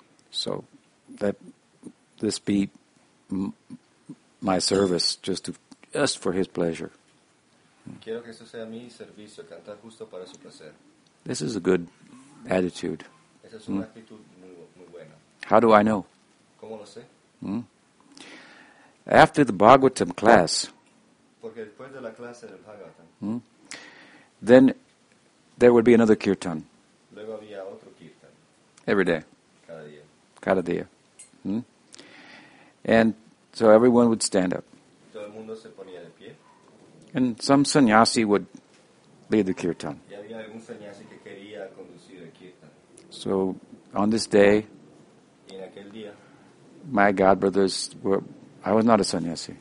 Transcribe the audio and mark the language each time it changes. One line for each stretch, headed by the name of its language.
English: So, let this be my service, just for his pleasure.
Spanish: Quiero que esto sea mi servicio, cantar justo para su placer.
English: This is a good attitude.
Spanish: Esta es una actitud muy buena.
English: How do I know?
Spanish: ¿Cómo lo sé?
English: After the Bhagavatam class,
Spanish: porque después de la clase del Bhagavatam,
English: then there would be another kirtan.
Spanish: Luego había otro kirtan.
English: Every day.
Spanish: Cada día.
English: And so everyone would stand up.
Spanish: Todo el mundo se ponía de pie.
English: And some sannyasi would lead the kirtan.
Spanish: Y había algún sannyasi que quería conducir el kirtan.
English: So on this day,
Spanish: y en aquel día,
English: my godbrothers were, I was not a sannyasi.